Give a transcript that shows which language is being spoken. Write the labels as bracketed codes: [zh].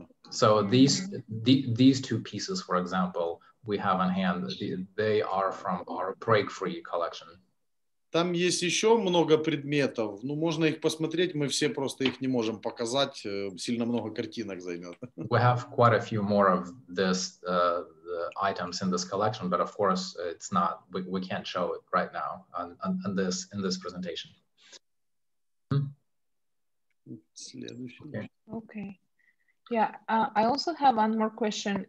[en] So these two pieces, for example, we have on hand. They are from our BreakFree collection. [ru] Там есть еще много предметов, ну можно их посмотреть, мы все просто их не можем показать, сильно много картинок займет. [en] We have quite a few more of this the items in this collection, but of course it's not, we can't show it right now in this presentation. [ru] Следующий. [en] Okay. Yeah, I also have one more question.